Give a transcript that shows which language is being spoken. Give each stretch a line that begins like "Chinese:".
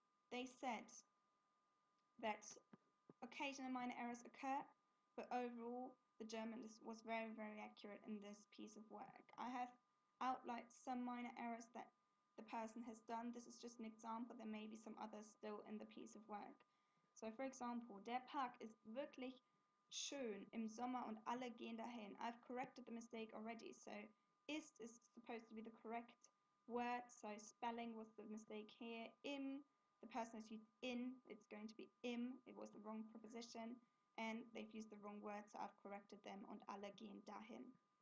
English: They said that occasional minor errors occur, but overall, the journalist was very, very accurate in this piece of work. I have outlined some minor errors that the person has done. This is just an example. There may be some others still in the piece of work. So, for example,
German: der Park ist wirklich schön im Sommer und alle gehen dahin.
English: I've corrected the mistake already. So, ist is supposed to be the correct word. So, spelling was the mistake here. Im, the person has used in, it's going to be im, it was the wrong preposition, and they've used the wrong word, so I've corrected them,
German: und alle gehen dahin.